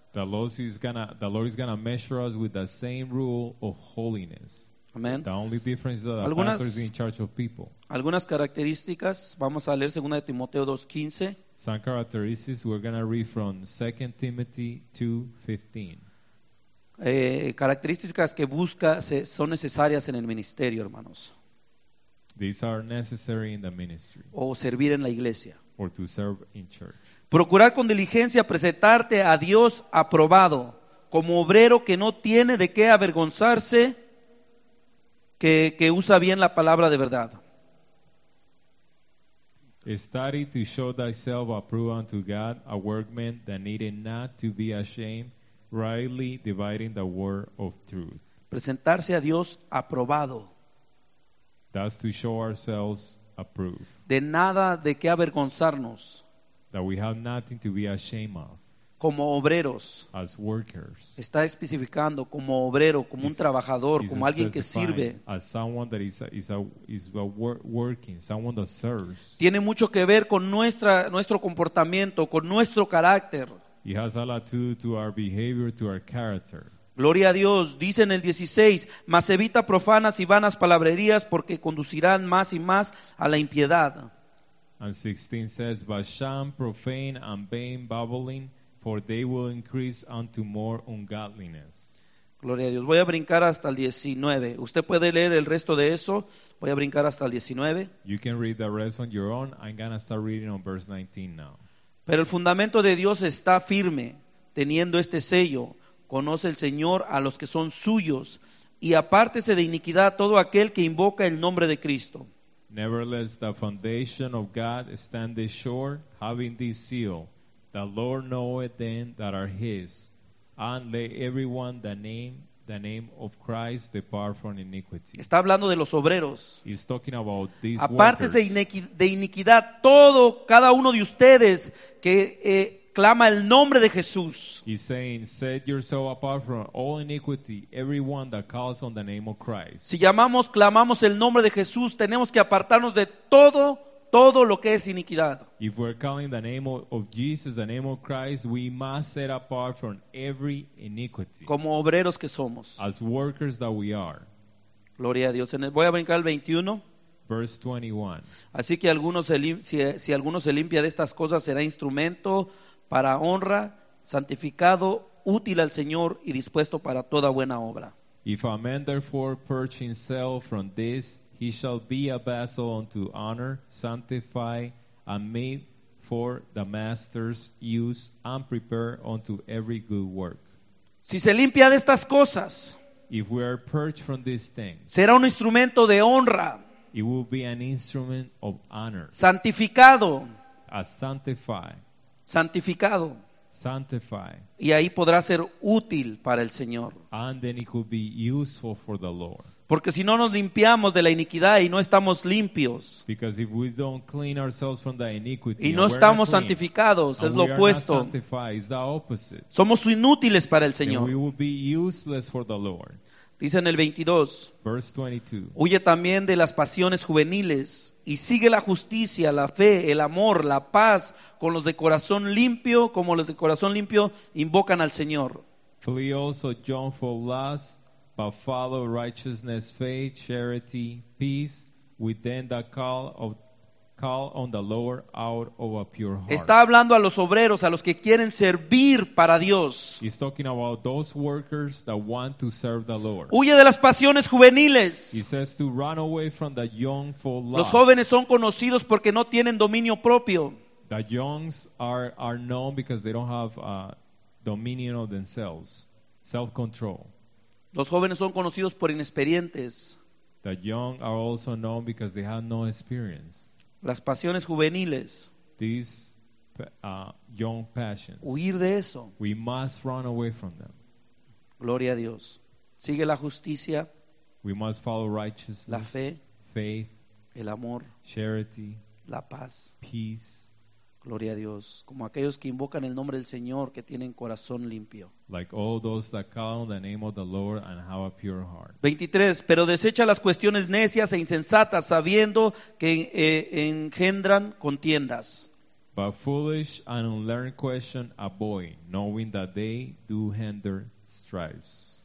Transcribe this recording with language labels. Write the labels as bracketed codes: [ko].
[en] The Lord is going to measure us with the same rule of holiness. Amen. The only difference is that the pastor is in charge of people. [es] Algunas características, vamos a leer 2 Timoteo 2:15. [en] Some characteristics we're going to read from 2 Timothy 2:15. [es] Características que busca son necesarias en el ministerio, hermanos. [en] These are necessary in the ministry. [es] O servir en la iglesia. [en] Or to serve in church. [es] Procurar con diligencia presentarte a Dios aprobado, como obrero que no tiene de qué avergonzarse, que usa bien la palabra de verdad. [en] Study to show thyself approved unto God, a workman that needed not to be ashamed, rightly dividing the word of truth. [es] Presentarse a Dios aprobado. [en] That's to show ourselves approved. [es] De nada de qué avergonzarnos. [en] That we have nothing to be ashamed of. [es] Como obreros. [en] As workers. [es] Está especificando como obrero, como un trabajador, como alguien que sirve. [en] As someone that is a working, someone that serves. [es] Tiene mucho que ver con nuestro comportamiento, con nuestro carácter. [en] It has a lot to do to our behavior, to our character. [es] Gloria a Dios. Dice en el 16, mas evita profanas y vanas palabrerías porque conducirán más y más a la impiedad. [en] And 16 says, but sham, profane, and vain babbling, for they will increase unto more ungodliness. [es] Gloria a Dios. Voy a brincar hasta el 19. Usted puede leer el resto de eso. Voy a brincar hasta el 19. [en] You can read the rest on your own. I'm going to start reading on verse 19 now. [es] Pero el fundamento de Dios está firme, teniendo este sello. Conoce el Señor a los que son suyos, y apártese de iniquidad todo aquel que invoca el nombre de Cristo. [en] Nevertheless, the foundation of God standeth sure, having this seal, the Lord knoweth them that are his, and let everyone the name of Christ depart from iniquity. [es] Está hablando de los obreros. [en] He's talking about these workers. [es] Apártese de iniquidad todo, cada uno de ustedes que clama el nombre de Jesús. [en] He's saying, set yourself apart from all iniquity, everyone that calls on the name of Christ. [es] Si llamamos, clamamos el nombre de Jesús, tenemos que apartarnos de todo. Todo lo que es iniquidad. [en] If we're calling the name of Jesus, the name of Christ, we must set apart from every iniquity. [es] Como obreros que somos. [en] As workers that we are. [es] Gloria a Dios. Voy a brincar al 21. [en] Verse 21. [es] Así que si alguno se limpia de estas cosas, será instrumento para honra, santificado, útil al Señor y dispuesto para toda buena obra. [en] If a man therefore purge himself from this, he shall be a vessel unto honor, sanctified, and made for the master's use, and prepared unto every good work. [es] Si se limpia de estas cosas, [en] if we are purged from these things, [es] será un instrumento de honra. [en] It will be an instrument of honor. [es] Santificado. [en] A sanctified. [es] santificado. [en] Sanctify. [es] Y ahí podrá ser útil para el Señor. [en] And then it could be useful for the Lord. [es] Porque si no nos limpiamos de la iniquidad y no estamos limpios. [en] Because if we don't clean ourselves from the iniquity, [es] y no estamos santificados, es lo opuesto. Somos inútiles para el Señor. [en] And we will be useless for the Lord. [es] Dice en el 22, [en] verse 22. [es] Huye también de las pasiones juveniles y sigue la justicia, la fe, el amor, la paz con los de corazón limpio, como los de corazón limpio invocan al Señor. [en] Flee also John for lust, but follow righteousness, faith, charity, peace with them that call on the Lord out of a pure heart. [es] Está hablando a los obreros, a los que quieren servir para Dios. [en] He's talking about those workers that want to serve the Lord. [es] Huye de las pasiones juveniles. [en] He says to run away from the young for lust. [es] Los jóvenes son conocidos porque no tienen dominio propio. [en] The youngs are known because they don't have dominion of themselves, self-control. [es] Los jóvenes son conocidos por inexperientes. [en] The young are also known because they have no experience. [es] Las pasiones juveniles. [en] These young passions. [es] Huir de eso. [en] We must run away from them. [es] Gloria a Dios. Sigue la justicia. [en] We must follow righteousness. [es] La fe. [en] Faith. [es] El amor. [en] Charity. [es] La paz. [en] Peace. [es] Gloria a Dios. Como aquellos que invocan el nombre del Señor que tienen corazón limpio. [en] Like all those that call on the name of the Lord and have a pure heart. 23. [es] Pero desecha las cuestiones necias e insensatas, sabiendo que engendran contiendas. [en] But foolish and unlearned questions avoid, knowing that they do hinder strifes.